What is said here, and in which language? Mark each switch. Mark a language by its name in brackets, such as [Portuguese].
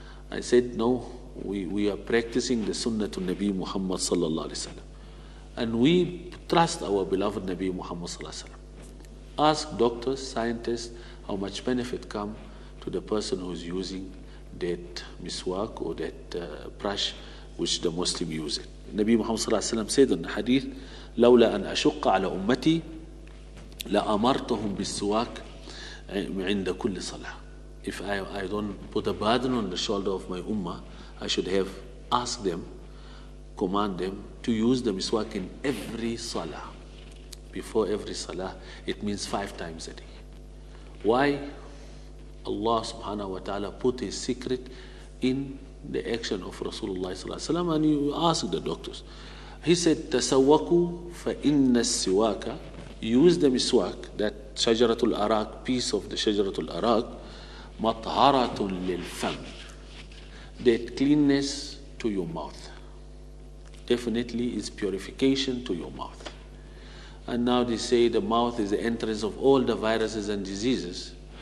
[English] I said, no, we are practicing the Sunnah to Nabi Muhammad Sallallahu Alaihi Wasallam. And we trust our beloved Nabi Muhammad Sallallahu Alaihi Wasallam. Ask doctors, scientists, how much benefit come to the person who is using that miswak or that brush which the Muslim use it. Nabi Muhammad sallallahu alaihi wasallam said in the hadith, [Arabic] لولا أن أشق على أمتي لأمرتهم بالسواك عند كل صلاة. [English] If I don't put a burden on the shoulder of my ummah, I should have asked them, command them to use the miswak in every salah. Before every salah, it means five times a day. Why? Allah subhanahu wa ta'ala put his secret in the action of Rasulullah sallallahu alaihi wasallam, and you ask the doctors. He said, [Arabic] تَسَوَّكُوا فَإِنَّ السِّوَاكَ. [English] Use the miswak, that shajaratul araq, piece of the shajaratul araq, [Arabic] مَطْهَرَةٌ لِلْفَمْ. [English] That cleanness to your mouth. Definitely is purification to your mouth. And now they say the mouth is the entrance of all the viruses and diseases.